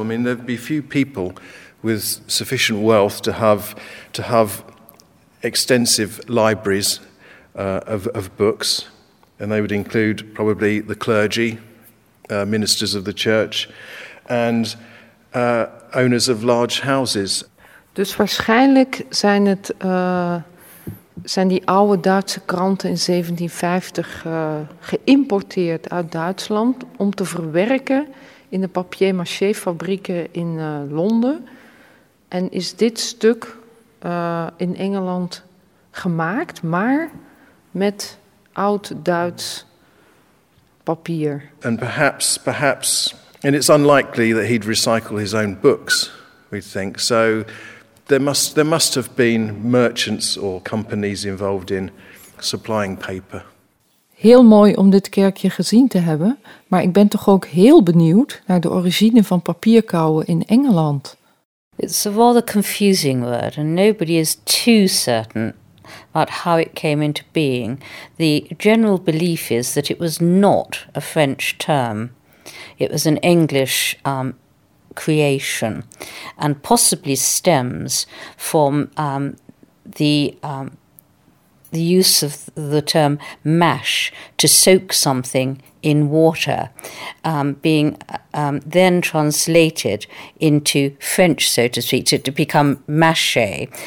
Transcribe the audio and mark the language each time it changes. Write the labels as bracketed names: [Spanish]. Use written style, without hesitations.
[English] I mean, there'd be few people with sufficient wealth to have extensive libraries of books, and they would include probably the clergy, ministers of the church, and owners of large houses. [Dutch] Dus waarschijnlijk zijn het zijn die oude Duitse kranten in 1750 geïmporteerd uit Duitsland om te verwerken in de papier-mâché fabrieken in Londen. En is dit stuk in Engeland gemaakt, maar met oud-Duits papier. [English] And perhaps, and it's unlikely that he'd recycle his own books, we think. So there must have been merchants or companies involved in supplying paper. [Dutch] Heel mooi om dit kerkje gezien te hebben, maar ik ben toch ook heel benieuwd naar de origine van papierkouwen in Engeland. [English] It's a rather confusing word, and nobody is too certain about how it came into being. The general belief is that it was not a French term. It was an English creation, and possibly stems from the use of the term mash, to soak something in water, being then translated into French, so to speak, to become mâché.